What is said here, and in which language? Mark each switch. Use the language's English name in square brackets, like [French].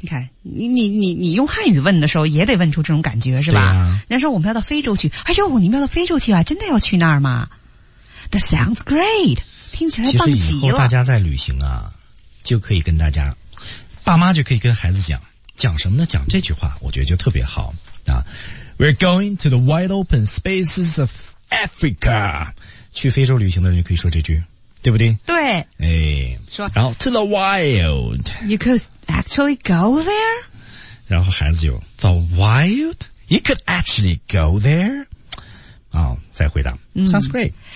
[Chinese] 你看，你用汉语问的时候，也得问出这种感觉，是吧？对啊。人家说我们要到非洲去，哎呦，你们要到非洲去啊？真的要去那儿吗 ？ [English] That sounds great， [Chinese] 听起来棒极了。其实以后大家在旅行啊，就可以跟大家，爸妈就可以跟孩子讲，讲什么呢？讲这句话，我觉得就特别好啊。 [English] We're going to the wide open spaces of Africa。 [Chinese] 去非洲旅行的人就可以说这句，对不对？对。哎，说。然后 [English] to the wild。 You could。 Actually go there? [Chinese] 然后孩子就 [English] The wild? You could actually go there? [Chinese] 哦，再回答、嗯、 [English] Sounds great.